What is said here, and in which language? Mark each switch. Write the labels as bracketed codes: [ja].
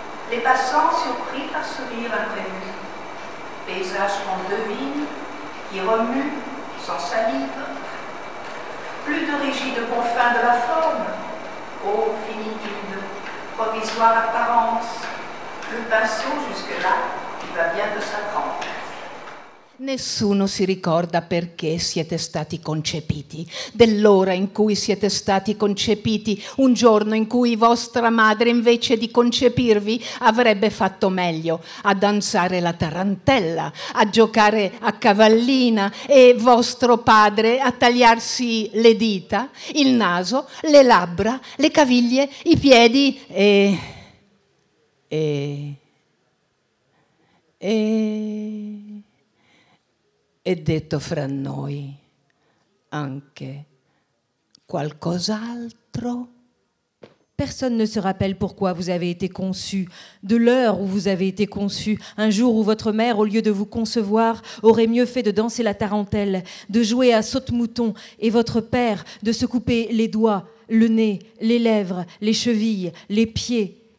[fr] les passants surpris par ce rire imprévu, paysage qu'on devine, qui remue, sans salive, plus de rigide confins de la forme, ô finitude, provisoire apparence, le pinceau jusque-là, il va bien de sa trempe. [it] Nessuno si ricorda perché siete stati concepiti, dell'ora in cui siete stati concepiti, un giorno in cui vostra madre, invece di concepirvi, avrebbe fatto meglio a danzare la tarantella, a giocare a cavallina e vostro padre a tagliarsi le dita, il naso, le labbra, le caviglie, i piedi e... E detto fra noi anche qualcos'altro. [fr] Personne ne se rappelle pourquoi vous avez été conçu, de l'heure où vous avez été conçu, un jour où votre mère, au lieu de vous concevoir, aurait mieux fait de danser la tarentelle, de jouer à saute-mouton, et votre père de se couper les doigts, le nez, les lèvres, les chevilles, les pieds.